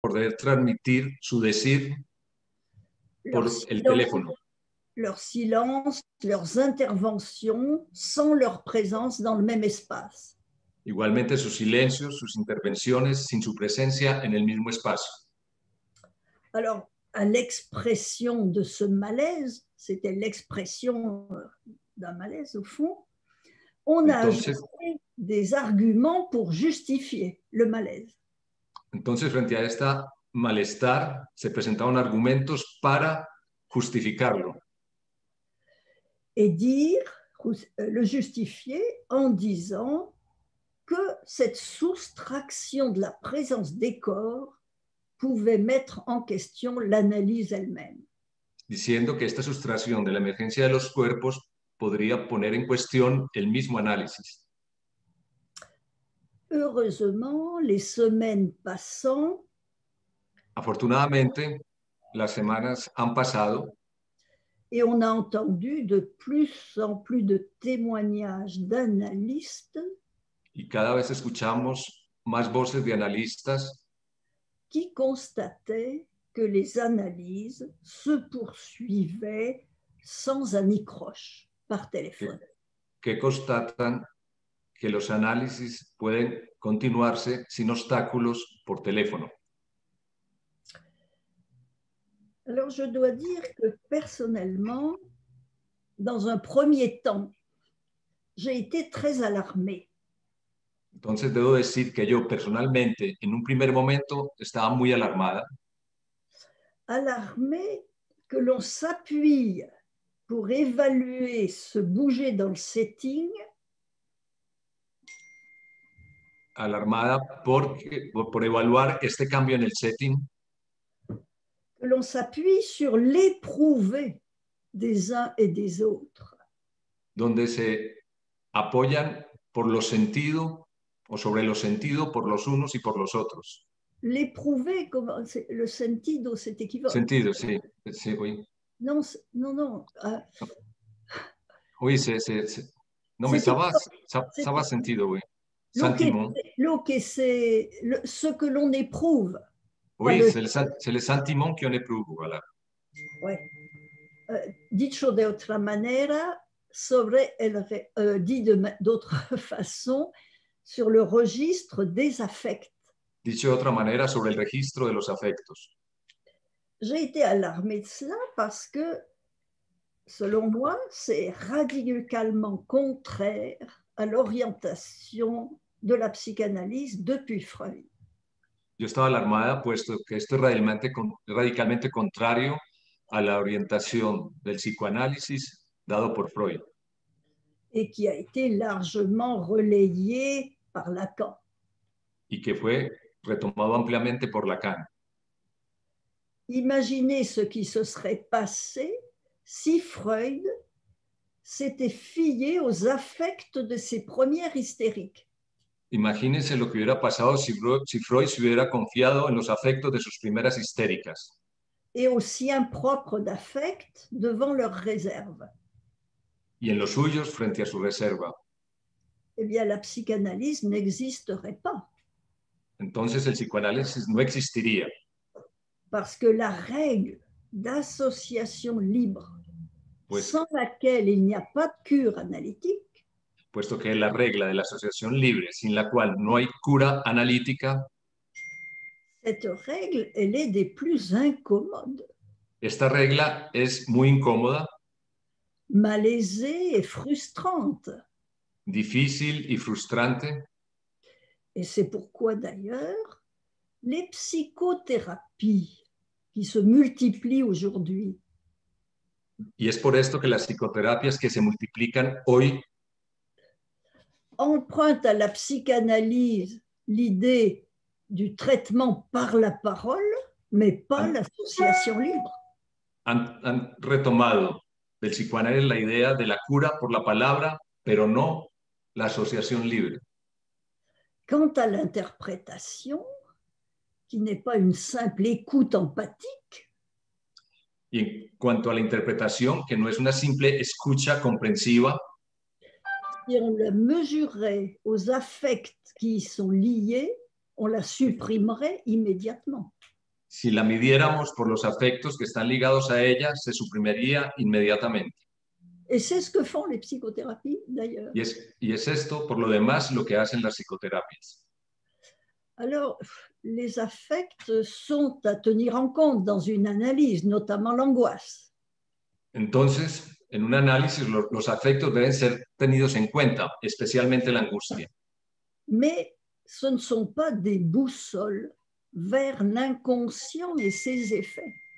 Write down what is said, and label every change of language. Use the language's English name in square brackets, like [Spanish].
[Spanish] poder transmitir su decir [French] Leur [Spanish] por el teléfono. [French] silence, leurs interventions sans leur présence dans le même espace. [Spanish] Igualmente sus silencios, sus intervenciones sin su presencia en el mismo espacio. [French] Alors, à l'expression de ce malaise, c'était l'expression d'un malaise au fond, on a [Spanish] Entonces, [French] ajouté des arguments pour justifier le malaise. [Spanish] frente a esta malestar, se presentaron argumentos para justificarlo. [French] Et dire, le justifier en disant que cette soustraction de la présence des corps pouvait mettre en question l'analyse elle-même. [Spanish] Diciendo que esta sustracción de la emergencia de los cuerpos podría poner en cuestión el mismo análisis. [French] Heureusement, les semaines passant, [Spanish] Afortunadamente, las semanas han pasado. [French] Et on a entendu de plus en plus de témoignages d'analystes [Spanish] Y cada vez escuchamos más voces de analistas [French] qui constataient que les analyses se poursuivaient sans anicroche par téléphone. [Spanish] Que constatan que los análisis pueden continuarse sin obstáculos por teléfono. [French] Alors, je dois dire que personnellement, dans un premier temps, j'ai été très alarmée. [Spanish] Entonces, debo decir que yo personalmente, en un primer momento, estaba muy alarmada. [French] Alarmée que l'on s'appuie pour évaluer ce bouger dans le setting. [Spanish] Alarmada por evaluar este cambio en el setting. [French] Que l'on s'appuie sur l'éprouvé des uns et des autres. [Spanish] Donde se apoyan por los sentidos o sobre los sentidos por los unos y por los otros. [French] L'éprouvé, le sentido, c'est équivoque. [Spanish] Sentido, sí, sí, oui. [French] Non, non, non. Oui, c'est. Non, mais ça va sentido, oui. Ce que l'on éprouve. Oui, c'est le sentiment qu'on éprouve, voilà. Ouais. [Spanish] Dicho de otra manera, sobre el, [French] dit d'autre façon, sur le registre des affects. [Spanish] Dicho de otra manera, sobre el registro de los afectos. [French] J'ai été alarmée de cela parce que, selon moi, c'est radicalement contraire à l'orientation de la psychanalyse depuis Freud. [Spanish] Yo estaba alarmada puesto que esto es radicalmente contrario a la orientación del psicoanálisis dado por Freud. [French] Et qui a été largement relayé par Lacan. [Spanish] Y que fue retomado ampliamente por Lacan. [French] Imaginez ce qui se serait passé si Freud s'était fié aux affects de ses premières hystériques. [Spanish] Imagínense lo que hubiera pasado si Freud se hubiera confiado en los afectos de sus primeras histéricas. [French] Et au sien propre d'affect devant leur réserve. [Spanish] Y en los suyos frente a su reserva. [French] Eh bien, la psychanalyse n'existerait pas. [Spanish] Entonces el psicoanálisis no existiría. [French] Parce que la règle d'association libre, pues, sans laquelle il n'y a pas de cure analytique, [Spanish] puesto que es la regla de la asociación libre, sin la cual no hay cura analítica. [French] Cette règle, elle est des plus incommodes. [Spanish] Esta regla es muy incómoda. [French] Malaisée et frustrante. [Spanish] Difícil y frustrante. [French] Et c'est pourquoi d'ailleurs, les psychothérapies qui se multiplient aujourd'hui. [Spanish] Y es por esto que las psicoterapias que se multiplican hoy [French] emprunte à la psychanalyse l'idée du traitement par la parole, mais pas l'association libre. [Spanish] Han retomado del psicoanálisis la idea de la cura por la palabra, pero no la asociación libre. [French] Quant à l'interprétation, qui n'est pas une simple écoute empathique, [Spanish] y en cuanto a la interpretación, que no es una simple escucha comprensiva, [French] si on la mesurait aux affects qui y sont liés, on la supprimerait immédiatement. [Spanish] si la midiéramos por los afectos que están ligados a ella, se suprimiría inmediatamente. [French] Et c'est ce que font les psychothérapies, d'ailleurs. [Spanish] Y es esto, por lo demás, lo que hacen las psicoterapias. [French] Alors, les affects sont à tenir en compte dans une analyse, notamment l'angoisse. [Spanish] Entonces, en un análisis, los afectos deben ser tenidos en cuenta, especialmente la angustia. [French] Mais ce ne sont pas des boussoles vers l'inconscient et ses effets.